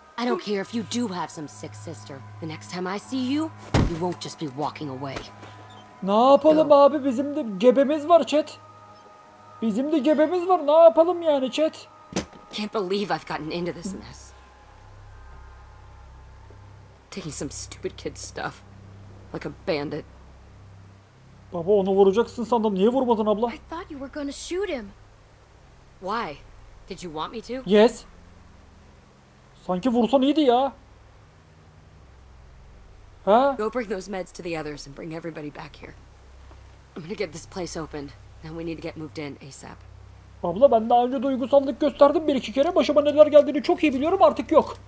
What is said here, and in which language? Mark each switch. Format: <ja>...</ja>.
<en>I don't care if you do have some sick sister. The next time I see you, you won't just be walking away.</en> <tr>Ne yapalım abi, bizim de gebemiz var chat. Bizim de gebemiz var. Ne yapalım yani chat?</tr> <en>Can't believe I've gotten into this mess. Taking some stupid kid stuff. Like a bandit.</en> <tr>Baba onu vuracaksın sandım. Niye vurmadın abla?</tr> <en>I thought you were gonna shoot him. Why? Did you want me to? Yes.</en> <tr>Sanki vursan iyiydi ya. Ha?</tr> <en>Go bring those meds to the others and bring everybody back here. I'm gonna get this place opened. And we need to get moved in ASAP.</en> <tr>Abla ben daha önce duygusallık gösterdim bir iki kere. Başıma neler geldiğini çok iyi biliyorum, artık yok.</tr>